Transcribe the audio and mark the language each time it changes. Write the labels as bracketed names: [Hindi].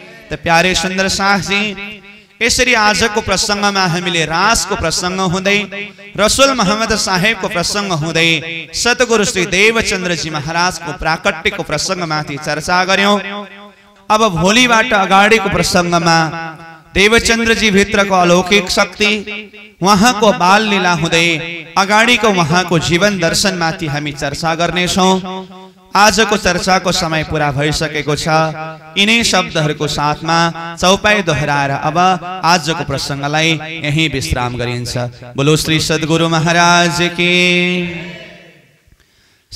[Nepali] ते प्यारे सुंदर साहजी यसरी आज को प्रसंग में हामीले रास को प्रसंग हुँदै रसूल मोहम्मद साहेब को प्रसंग हुँदै सदगुरु श्री देवचंद्र जी महाराज को प्राकट्य को प्रसंग माथि चर्चा गर्यौं। अब भोलिबाट अगाड़ी को प्रसंग में देवचंद्र जी भित्र को अलौकिक शक्ति वहां को बाल लीला हुँदै अगाड़ी को वहां को जीवन दर्शन माथि हामी चर्चा गर्ने छौं। आज को चर्चा को समय पूरा भइसकेको छ। इन्हीं शब्द को साथ में चौपाई दोहराएर अब आज को प्रसंग यहीं विश्राम गरिन्छ। [Hindi] बोलो श्री सद्गुरु महाराज की।